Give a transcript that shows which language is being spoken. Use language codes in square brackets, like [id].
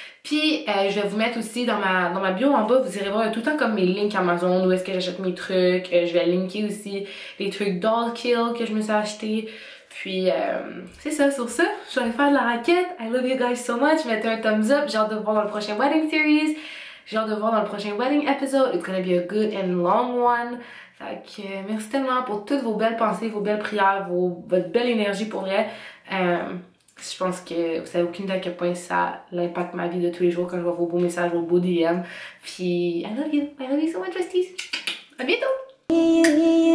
[fr] Puis je vais vous mettre aussi dans ma bio en bas, vous irez voir tout le temps comme mes links Amazon, où est-ce que j'achète mes trucs. Je vais linker aussi les trucs Doll Kill que je me suis acheté. Puis c'est ça, sur ça, je vais faire de la raquette. [en] I love you guys so much, [fr] mettez un thumbs up, j'ai hâte de vous voir dans le prochain Wedding Series. J'ai hâte de voir dans le prochain wedding episode. [en] It's gonna be a good and long one. [fr] Fait que merci tellement pour toutes vos belles pensées, vos belles prières, votre belle énergie pour vrai. Je pense que vous savez aucune idée à quel point ça l'impacte ma vie de tous les jours quand je vois vos beaux messages, vos beaux DM. Puis [en] I love you so much, besties. [fr] À bientôt!